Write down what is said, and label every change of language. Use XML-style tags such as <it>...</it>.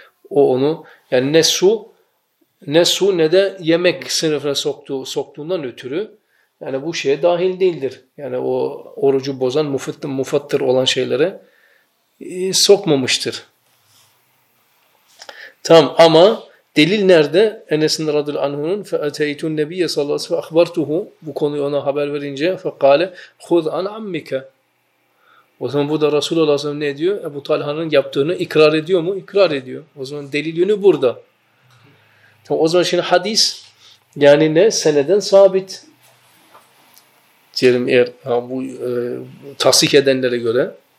<tr>O onu yani ne su ne de yemek sınıfına soktuğundan ötürü yani bu şeye dahil değildir. Yani o orucu bozan, mufattır olan şeylere sokmamıştır. Tamam ama delil nerede? Enes'in radıyallahu anh'ın</tr> <ar>فَاَتَيْتُ النَّبِيَّ صَلَّى اللّٰهِ فَاَخْبَرْتُهُ.</ar> <tr>Bu konuyu ona haber verince</tr> <ar>فَقَالَ خُذْ عَنْ عَمِّكَ.</ar> <tr>O zaman burada Resulullah s.a.v. ne diyor? Ebu Talha'nın yaptığını ikrar ediyor mu? İkrar ediyor. O zaman delil yönü burada. Tamam, o zaman şimdi hadis yani ne? Seneden sabit. Diyelim eğer bu tasdik edenlere göre.</tr>